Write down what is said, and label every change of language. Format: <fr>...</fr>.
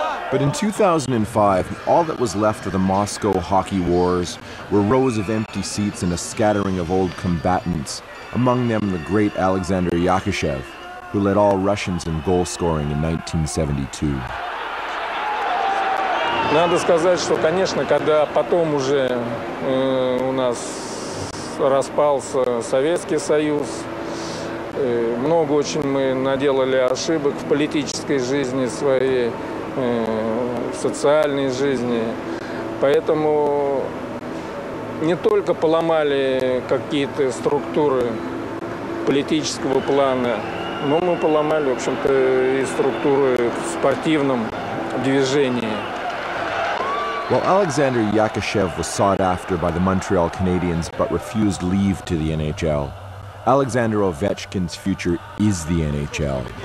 <en>But in 2005, all that was left of the Moscow hockey wars were rows of empty seats and a scattering of old combatants, among them the great Alexander Yakushev, who led all Russians in goal scoring in 1972.</en> <ru>Надо сказать, что, конечно, когда потом уже у нас распался Советский Союз, много очень мы наделали ошибок в политической жизни своей. В социальной жизни. Поэтому не только поломали какие-то структуры политического плана, но мы поломали, в общем-то, и структуры в спортивном движении.</ru> <en>While Alexander Yakishev was sought after by the Montreal Canadiens but refused leave to the NHL, Alexander Ovechkin's future is the NHL.</en>